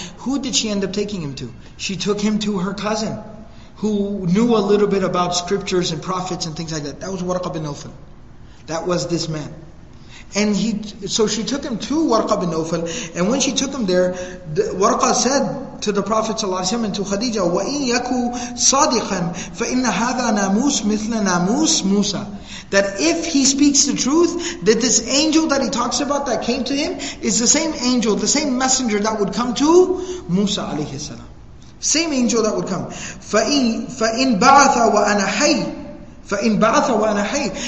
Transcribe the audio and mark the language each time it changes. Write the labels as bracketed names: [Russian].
[English] Who did she end up taking him to? She took him to her cousin, who knew a little bit about scriptures and prophets and things like that. That was Warqa bin Nawfal. That was this man. And so she took him to Warqa bin Nawfal, and when she took him there, Warqa said to the Prophet صلى الله عليه وسلم and to Khadija, [Arabic] وَإِنْ يَكُوا صَادِقًا فَإِنَّ هَذَا نَامُوسٌ مِثْلَ نَامُوسٌ مُوسَى. [English] That if he speaks the truth, that this angel that he talks about that came to him is the same angel, the same messenger that would come to Musa عليه السلام. Same angel that would come. [Arabic] فَإِنْ بَعَثَ وَأَنَا حَيٌّ. فَإِنْ بَعَثَ وَأَنَا حَيٌّ.